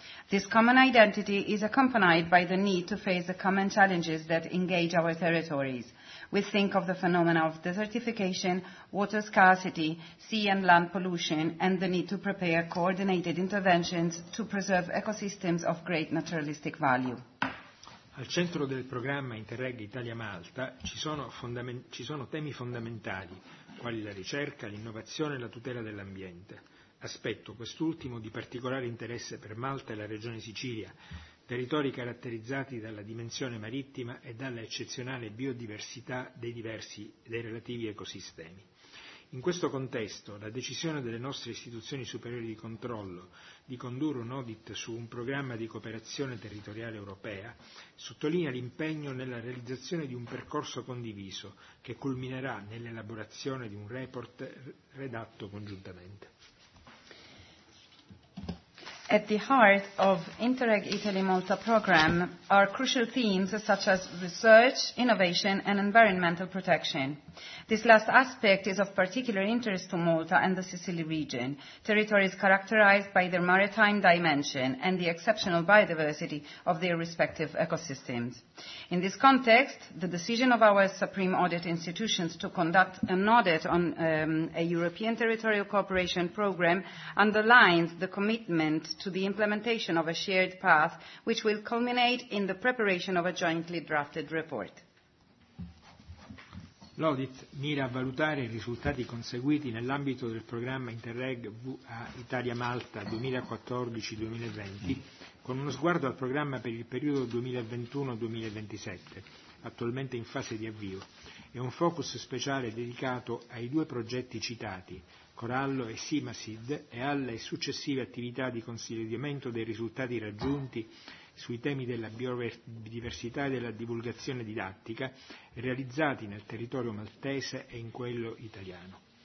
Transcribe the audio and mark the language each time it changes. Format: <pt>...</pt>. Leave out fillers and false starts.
<en>This common identity is accompanied by the need to face the common challenges that engage our territories. We think of the phenomena of desertification, water scarcity, sea and land pollution, and the need to prepare coordinated interventions to preserve ecosystems of great naturalistic value.</en> <it>Al centro del programma Interreg Italia-Malta ci sono temi fondamentali, quali la ricerca, l'innovazione e la tutela dell'ambiente. Aspetto quest'ultimo di particolare interesse per Malta e la regione Sicilia, territori caratterizzati dalla dimensione marittima e dalla eccezionale biodiversità dei relativi ecosistemi. In questo contesto, la decisione delle nostre istituzioni superiori di controllo di condurre un audit su un programma di cooperazione territoriale europea sottolinea l'impegno nella realizzazione di un percorso condiviso che culminerà nell'elaborazione di un report redatto congiuntamente.</it> <en>At the heart of Interreg Italy-Malta program are crucial themes such as research, innovation and environmental protection. This last aspect is of particular interest to Malta and the Sicily region, territories characterized by their maritime dimension and the exceptional biodiversity of their respective ecosystems. In this context, the decision of our Supreme Audit Institutions to conduct an audit on a European Territorial Cooperation Programme underlines the commitment to the implementation of a shared path, which will culminate in the preparation of a jointly drafted report.</en> <it>L'audit mira a valutare i risultati conseguiti nell'ambito del programma Interreg Italia-Malta 2014-2020 con uno sguardo al programma per il periodo 2021-2027, attualmente in fase di avvio, e un focus speciale dedicato ai due progetti citati, Corallo e Simasid, e alle successive attività di consolidamento dei risultati raggiunti sui temi della biodiversità e della divulgazione didattica realizzati nel territorio maltese e in quello italiano.</it>